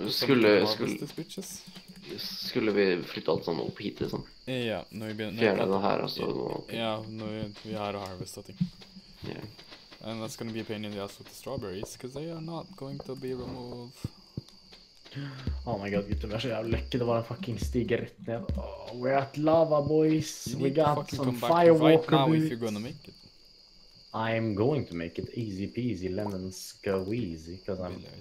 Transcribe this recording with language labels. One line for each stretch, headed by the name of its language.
Norwegian: Men skulle vi flytte alt sånn opp hit, liksom? Ja, når vi begynner... Fjerne det her, altså. Ja, når vi er og harvestet ting. Ja.
English: And that's gonna be a pain in the ass with the strawberries, because they are not going to be removed.
Norwegian: Oh my god, gutter, vi er så jævlig lykke. Det var en fucking stige rett ned.
English: Oh, we're at lava, boys. We got some firewalker boots. Right now, if you're gonna make it. I'm going to make it easy peasy lemon squeezy, because I'm...